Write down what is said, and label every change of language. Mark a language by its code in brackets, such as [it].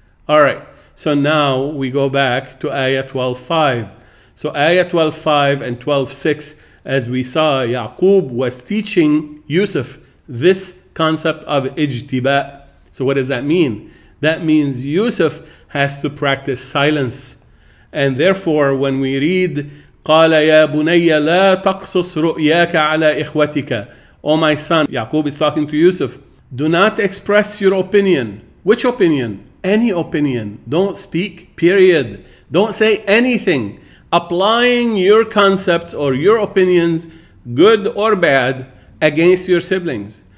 [en] All right, so now we go back to ayah 12.5. So ayah 12.5 and 12.6, as we saw, Ya'qub was teaching Yusuf this concept of ijtiba. So what does that mean? That means Yusuf has to practice silence. And therefore, when we read, [ar] قَالَ يَا بُنَيَّ لَا تَقْصُصْ رُؤْيَاكَ عَلَى إِخْوَتِكَ. [en] O my son, Ya'qub is talking to Yusuf, do not express your opinion. Which opinion? Any opinion. Don't speak, period. Don't say anything. Applying your concepts or your opinions, good or bad, against your siblings.